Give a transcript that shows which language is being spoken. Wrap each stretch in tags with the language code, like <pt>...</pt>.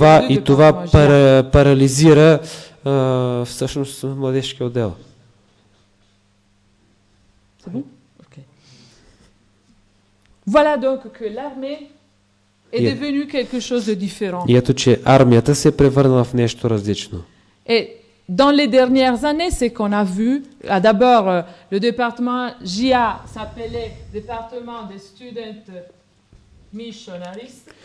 <bg>И това парализира всъщност младежкия отдел.</bg> <fr>C'est bon? OK. Voilà donc que l'armée est devenue quelque chose de différent.</fr> <bg>И ето, че армията се превърнала в нещо различно.</bg> <fr>Et dans les dernières années, c'est qu'on a vu, d'abord le département GIA s'appelait département des students missionaries.</fr>